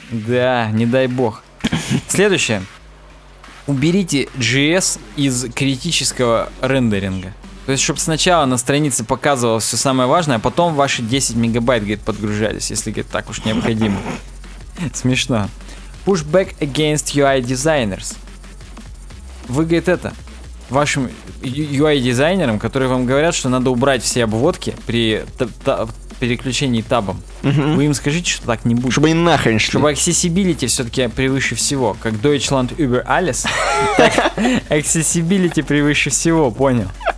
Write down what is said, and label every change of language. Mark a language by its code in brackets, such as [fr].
[ru] Да, не дай бог. Следующее. Уберите JS из критического рендеринга. То есть, чтобы сначала на странице показывалось все самое важное, а потом ваши 10 мегабайт, говорит, подгружались, если, говорит, так уж необходимо. Смешно. [en] Push back against UI designers. [ru] Вы, говорит, это, вашим UI дизайнерам, которые вам говорят, что надо убрать все обводки при переключении табом. Uh-huh. Вы им скажите, что так не будет. Чтобы они нахрен шли. Чтобы accessibility все-таки превыше всего. Как [de] Deutschland über alles, [ru] так accessibility превыше всего, понял?